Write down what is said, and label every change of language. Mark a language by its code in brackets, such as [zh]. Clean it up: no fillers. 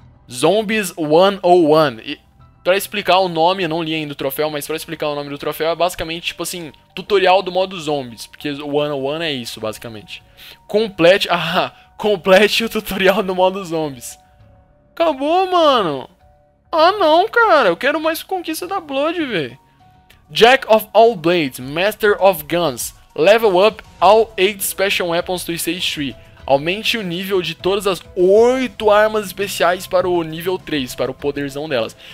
[pt] Zombies 101. E pra explicar o nome, eu não li ainda o troféu, mas pra explicar o nome do troféu é basicamente, tipo assim, tutorial do modo zombies. Porque 101 é isso, basicamente. Complete. Ah, complete o tutorial do modo zombies. Acabou, mano. Ah, não, cara. Eu quero mais conquista da Blood, velho. [en] Jack of all blades, master of guns. Level up all 8 special weapons to stage 3. [pt] aumente o nível de todas as 8 armas especiais para o nível 3, para o poderzão delas.